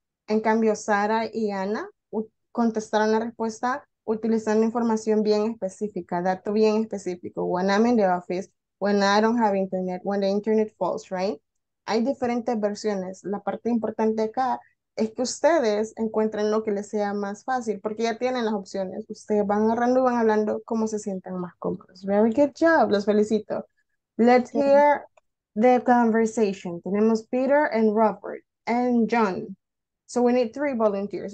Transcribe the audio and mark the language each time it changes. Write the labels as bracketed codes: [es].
[es] En cambio, Sara y Ana contestaron la respuesta utilizando información bien específica, dato bien específico. [en] When I'm in the office, when I don't have internet, when the internet falls, right? [es] Hay diferentes versiones. La parte importante acá es que ustedes encuentren lo que les sea más fácil, porque ya tienen las opciones. Ustedes van agarrando y van hablando como se sientan más cómodos. [en] Very good job. [es] Los felicito. [en] Let's hear the conversation. [es] Tenemos [en] Peter and Robert and John. So we need three volunteers.